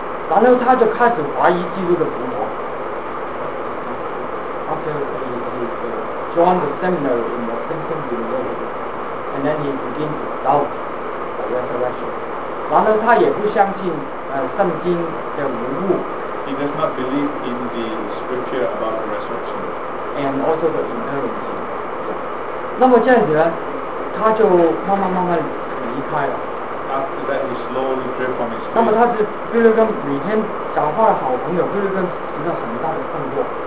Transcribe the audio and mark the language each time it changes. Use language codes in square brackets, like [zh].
[zh] 然后他就开始怀疑基督的复活。 [en] After he joined the seminary in the Princeton University, and then he began to doubt the resurrection. [zh] 然后他也不相信圣经的无误。 [en] He does not believe in the scripture about the resurrection. And also the inerrancy. [zh] 那么这样子呢，他就慢慢离开了。 [en] After that, he slowly drift from his faith. [zh] 那么他是比利根每天找他的好朋友，比利根实在很大的困惑。